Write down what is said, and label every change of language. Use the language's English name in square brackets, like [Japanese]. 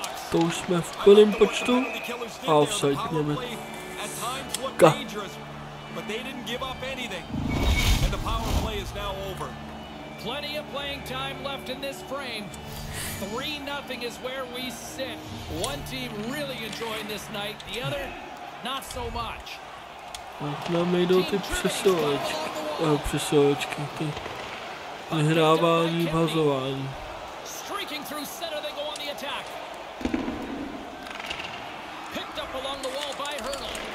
[Czech] To už jsme v plném počtu a offside máme. Ka. [English] But they didn't give up anything. And the power play is now over. Plenty of playing time left in this frame. 3-0 is where we sit. One team really enjoying this night, the other not so much. [Czech] Možná mi jdou ty přesouvačky. Jo, přesouvačky, ty vyhrávání, vhazování. [English] Streaking through center, they go on the attack. Picked up along the wall by Hurdle.